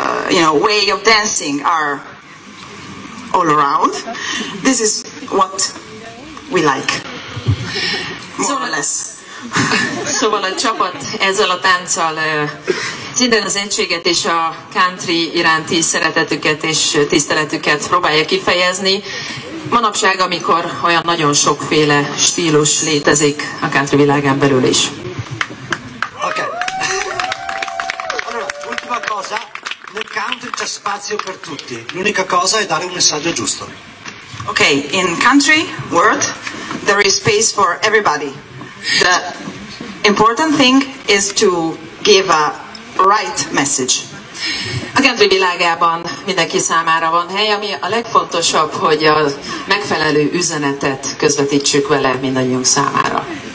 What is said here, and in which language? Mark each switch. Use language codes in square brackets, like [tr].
[en] you know, way of dancing are all around, this is what we like, more or less. [hu] Szóval a csapat ezzel a tánccal minden az egységet és a country iránti szeretetüket és tiszteletüket próbálja kifejezni. Manapság, amikor olyan nagyon sokféle stílus létezik a country világán belül is. Oké. [it] Ultima cosa, nel country c'è spazio per tutti. L'unica cosa è dare un messaggio giusto. [en] Okay, in country world, there is space for everybody. The important thing is to give a right message. [hu] A country világában mindenki számára van hely, ami a legfontosabb, hogy a megfelelő üzenetet közvetítsük vele mindannyiunk számára.